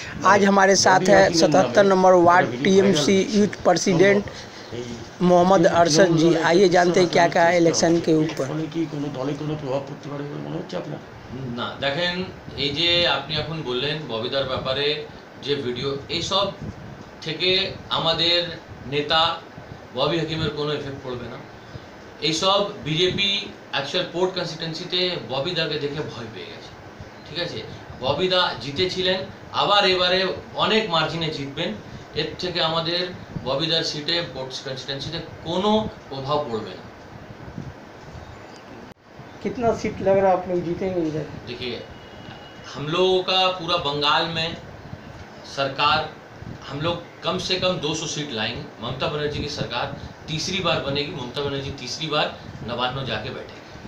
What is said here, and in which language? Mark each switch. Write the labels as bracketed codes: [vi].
[hi] आज हमारे साथ है 77 number ward TMC youth president Mohammad Arshad जी। आइए जानते हैं क्या कहा इलेक्शन के ऊपर। [bn] না দেখেন এই যে আপনি এখন বললেন ববিদার ব্যাপারে যে ভিডিও এই সব থেকে আমাদের নেতা ববি হাকিমের কোনো এফেক্ট পড়বে না। এই সব বিজেপি অ্যাকচুয়াল পোর্ট কনস্টিটিউয়েন্সিতে ববিদাকে দেখে ভয় পেয়ে গেছে, ঠিক আছে। ববিদা জিতেছিলেন, আবার এবারে অনেক মার্জিনে জিতবেন, এর থেকে আমাদের ববিদার সিটে পোর্ট কনস্টিটিউয়েন্সিতে কোনো প্রভাব পড়বে না। [hi] कितना सीट लग रहा है आप लोग जीतेंगे इधर? देखिए हम लोगों का पूरा बंगाल में सरकार, हम लोग कम से कम 200 सीट लाएंगे। ममता बनर्जी की सरकार तीसरी बार बनेगी, ममता बनर्जी तीसरी बार नवान्नों जाके बैठे।